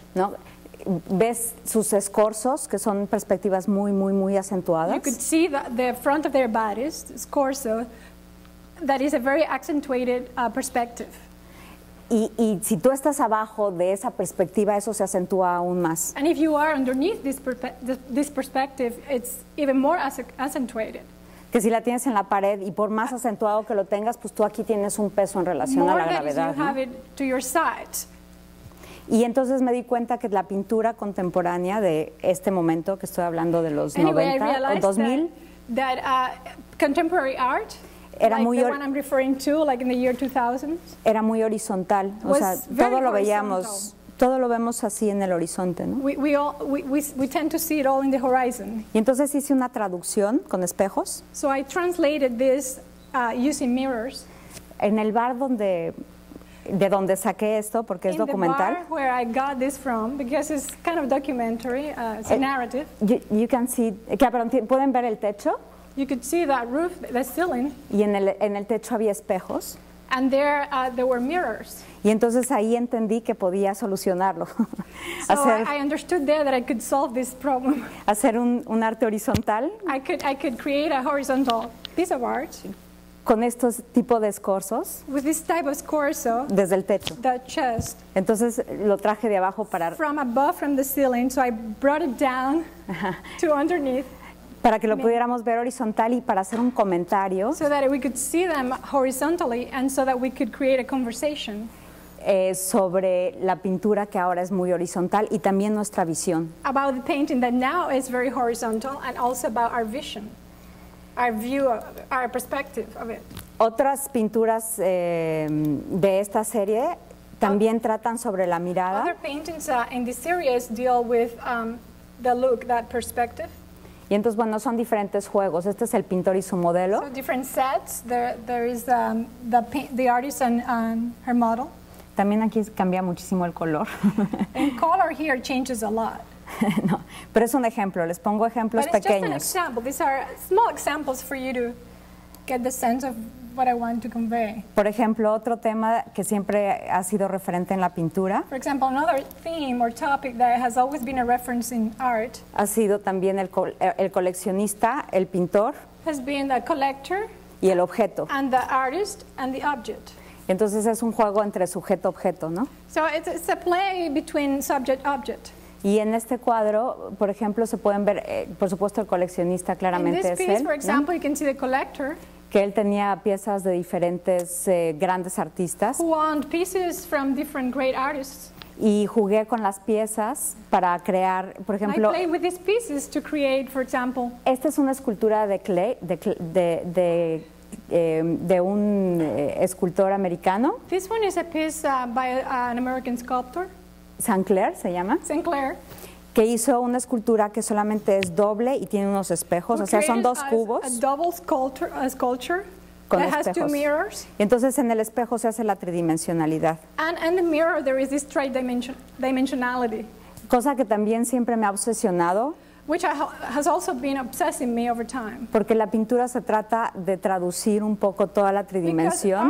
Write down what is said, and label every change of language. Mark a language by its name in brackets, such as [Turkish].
[Spanish] No, ves sus escorzos que son perspectivas muy muy muy acentuadas. [English] You could see the front of their bodies, the scorzo, that is a very accentuated perspective. [Spanish] Y si tú estás abajo de esa perspectiva, eso se acentúa aún más. [English] And if you are underneath this perspective, it's even more accentuated. [Spanish] Que si la tienes en la pared y por más acentuado que lo tengas, pues tú aquí tienes un peso en relación [English] more [Spanish] a la gravedad. [English] More than you have it to your side. [Spanish] Y entonces me di cuenta que la pintura contemporánea de este momento, que estoy hablando de los 90 o 2000, [English] that contemporary art, [Spanish] era [English] like [Spanish] muy [English] the one I'm referring to, like in the year 2000. [Spanish] Era muy horizontal. O sea, todo lo veíamos, todo lo vemos así en el horizonte, ¿no? [English] We tend to see it all in the horizon. [Spanish] Y entonces hice una traducción con espejos. [English] So I translated this using mirrors. [Spanish] En el bar donde saqué esto, porque [English] in [Spanish] es documental. [English] In the bar where I got this from, because it's kind of documentary, it's a narrative. You can see, [Spanish] ¿qué? Pero pueden ver el techo. [English] You could see that roof, the ceiling. [Spanish] Y en el techo había espejos. [English] And there were mirrors. [Spanish] Y entonces ahí entendí que podía solucionarlo. [English] So I understood there that I could solve this problem. [Spanish] Hacer un arte horizontal. [English] I could create a horizontal piece of art. [Spanish] Con estos tipo de escorzos. [English] With this type of scorzo. [Spanish] Desde el techo. [English] The chest. [Spanish] Entonces lo traje de abajo para. [English] From above, from the ceiling, so I brought it down to underneath. [Spanish] Para que lo pudiéramos ver horizontal y para hacer un comentario. [English] So that we could see them horizontally and so that we could create a conversation. [Spanish] Sobre la pintura que ahora es muy horizontal y también nuestra visión. [English] About the painting that now is very horizontal and also about our vision, our view, our perspective of it. [Spanish] Otras pinturas de esta serie también tratan sobre la mirada. [English] Other paintings in this series deal with the look, that perspective. [Spanish] Y entonces, bueno, son diferentes juegos. Este es el pintor y su modelo. [English] So different sets. There is the artist and her model. [Spanish] También aquí cambia muchísimo el color. [English] And color here changes a lot. [Spanish] No, pero es un ejemplo. Les pongo ejemplos pequeños. [English] But it's just an example. These are small examples for you to get the sense of what I want to convey. [Spanish] Por ejemplo, otro tema que siempre ha sido referente en la pintura. [English] For example, another theme or topic that has always been a reference in art. [Spanish] Ha sido también el coleccionista, el pintor. [English] Has been the collector. [Spanish] Y el objeto. [English] And the artist and the object. [Spanish] Entonces es un juego entre sujeto-objeto, ¿no? [English] So it's a play between subject-object. [Spanish] Y en este cuadro, por ejemplo, se pueden ver, por supuesto, el coleccionista claramente es él. [English] In this piece, for example, you can see the collector. [Spanish] Que él tenía piezas de diferentes grandes artistas. [English] Who owned pieces from different great artists. [Spanish] Y jugué con las piezas para crear, por ejemplo. [English] I played with these pieces to create, for example. [Spanish] Esta es una escultura de clay, de un escultor americano. [English] This one is a piece by an American sculptor. [Spanish] St. Clair se llama. [English] St. Clair. [Spanish] Que hizo una escultura que solamente es doble y tiene unos espejos, [English] who [Spanish] o sea, son dos cubos. [English] A double sculpture [Spanish] con [English] that [Spanish] espejos. [English] Has two mirrors. [Spanish] Y entonces en el espejo se hace la tridimensionalidad. [English] And in the mirror there is this tridimensionality. [Spanish] Cosa que también siempre me ha obsesionado. [English] Which has also been obsessing me over time. [Spanish] Porque la pintura se trata de traducir un poco toda la tridimensión.